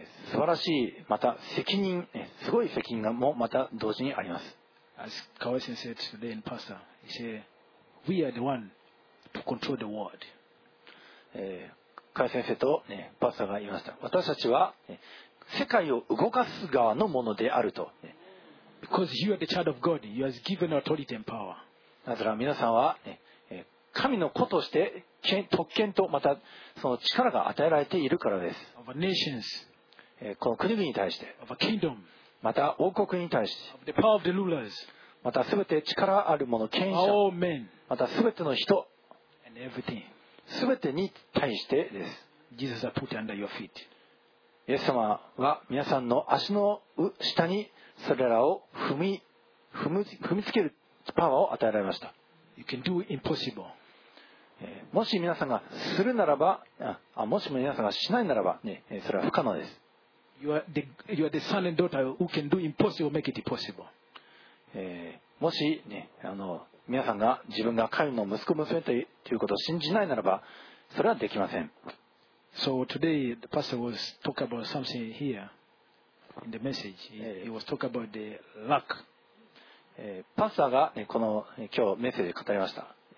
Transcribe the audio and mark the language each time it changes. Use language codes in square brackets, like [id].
[ja] 素晴らしい、また責任、すごい責任がもまた同時にあります。 [en] As Kawai Sensei said today in Pastor, he said, we are the one to control the world. [ja] Kawai Sensei と、ね、パスターが言いました。私たちは、ね、世界を動かす側のものであると、ね、 [en] Because you are the child of God, you have given authority and power. [ja] なぜなら皆さんは、ね、神の子として特権とまたその力が与えられているからです。この国々に対して、また王国に対して、またすべて力ある者、権威者、またすべての人、すべてに対してです。イエス様は皆さんの足の下にそれらを踏みつけるパワーを与えられました。 [en] You can do impossible. [ja] もし皆さんがするならば、もしも皆さんがしないならば、ね、それは不可能です。 [en] You are the son and daughter who can do impossible, make it possible. [ja] もし、ね、皆さんが自分が神の息子娘ということを信じないならば、それはできません。 [en] So today the pastor was talking about something here in the message. He was talking about the lack. [ja] パスターが、ね、この今日メッセージで語りました。